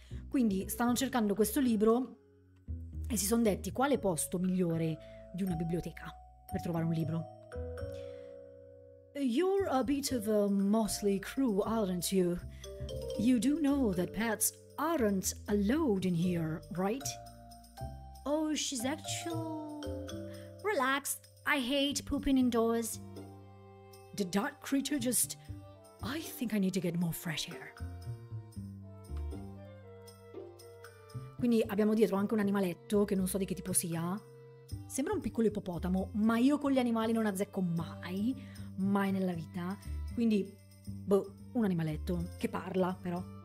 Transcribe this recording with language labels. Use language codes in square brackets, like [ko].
[it] Quindi stanno cercando questo libro e si sono detti quale posto migliore di una biblioteca per trovare un libro. [en] You're a bit of a motley crew, aren't you? You do know that pets aren't allowed in here, right? Oh, she's actually. Relax, I hate pooping indoors. Did that creature just. I think I need to get more fresh air. [it] Quindi abbiamo dietro anche un animaletto che non so di che tipo sia. Sembra un piccolo ippopotamo, ma io con gli animali non azzecco mai. Mai nella vita, quindi boh, un animaletto che parla però.